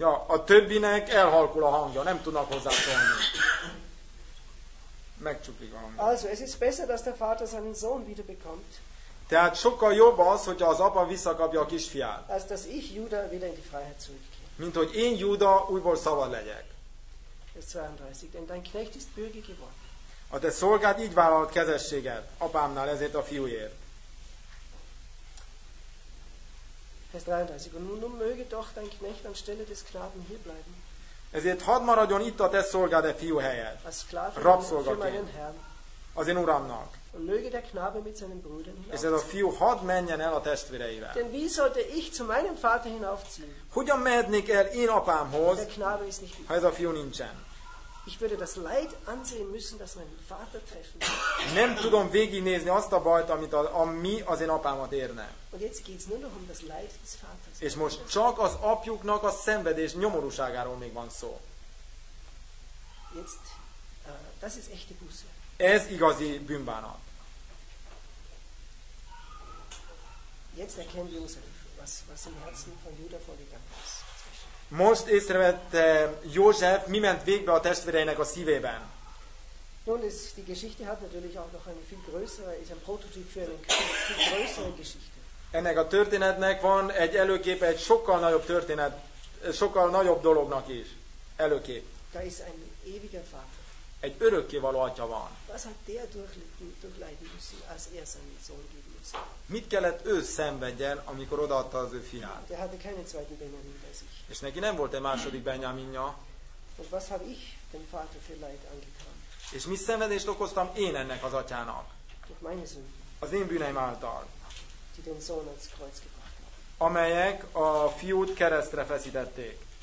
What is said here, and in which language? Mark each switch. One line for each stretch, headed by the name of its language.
Hungarian: Ja, a többinek elhalkul a hangja, nem tudnak hozzászólni. Megcsuklik a hangja.
German: Also, es ist besser, dass der Vater seinen Sohn wiederbekommt.
Hungarian: Tehát sokkal jobb az, hogyha az apa visszakapja a kisfiát.
German: Als dass ich Juda wieder in die Freiheit zurückkehre.
Hungarian: Mint hogy én Juda újból szabad legyek.
German: Vers 32, denn dein Knecht ist bürgi geworden.
Hungarian: A te szolgád így vállalt kezességet apámnál ezért a fiúért.
German: Vers 33. Und nun möge doch dein Knecht anstelle des Knaben hier bleiben.
Hungarian: Ezért hadd maradjon itt a te szolgád e fiú helyett.
German: Als Sklave für meinen Herrn.
Hungarian: Az én uramnak.
German: Und möge der Knabe mit seinen Brüdern hinaufziehen.
Hungarian: Ezért a fiú hadd menjen el a testvéreivel.
German: Denn wie sollte ich zu meinem Vater hinaufziehen?
Hungarian: Hogyan mehetnék el én apámhoz,
German: der Knabe ist nicht
Hungarian: ha ez a fiú nincsen?
German: Ich würde das Leid ansehen müssen, das meinen Vater treffen.
Hungarian: Nem tudom végignézni azt a bajt, amit ami az én apámat érne.
German: Und jetzt geht's nur noch um das Leid des Vaters.
Hungarian: És most csak az apjuknak a szenvedés nyomorúságáról még van szó.
German: Jetzt, das ist echte Buße.
Hungarian: Ez igazi bűnbánat.
German: Jetzt erkennt Josef, was im Herzen von Juda vorgegangen ist.
Hungarian: Most észrevette József, mi ment végbe a testvéreinek a szívében.
German: Nun ist die Geschichte hat natürlich auch noch eine viel größere, ist ein Prototyp für eine viel größere Geschichte.
Hungarian: Ennek a történetnek van egy előképe, egy sokkal nagyobb történet, sokkal nagyobb dolognak is előkép.
German: Da ist ein ewiger Vater.
Hungarian: Egy örökkévaló atya van.
German: Was hat der durchleiden müssen, als er seinen Sohn geben muss?
Hungarian: Mit kellett ő szenvedjen, amikor odaadta az ő fiát?
German: Der hatte keinen zweiten Benjamin bei sich.
Hungarian: És neki nem volt egy második Benjaminja.
German: Und was habe ich dem Vater für Leid angetan?
Hungarian: És mi szenvedést okoztam én ennek az atyának?
German: Durch meine Sünden.
Hungarian: Az én bűneim által.
German: Die den Sohn ans Kreuz gebracht haben.
Hungarian: Amelyek a fiút keresztre feszítették.